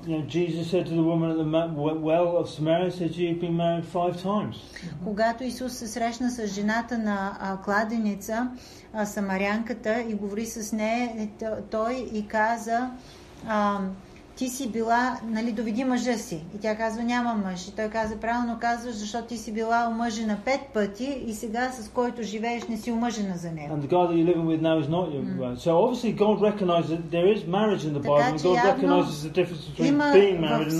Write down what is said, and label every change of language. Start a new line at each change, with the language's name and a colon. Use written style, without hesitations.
English: You know, Jesus said to the woman at the well of Samaria, said, you've been married 5 times.
Bulgarian: Когато Исус се срещна с жената на кладеница, самарянката, и говори с нея, той и каза, ти си била, нали, доведи мъжа си. И тя казва, няма мъж. И той каза, правилно казваш, защото ти си била омъжена 5 пъти и сега с който живееш не си омъжена за него.
English: And the guy that you're living with now is not your wife. So obviously God recognizes that there is marriage in the Bible,
Bulgarian: така,
English: and God recognizes the difference between being married and not married.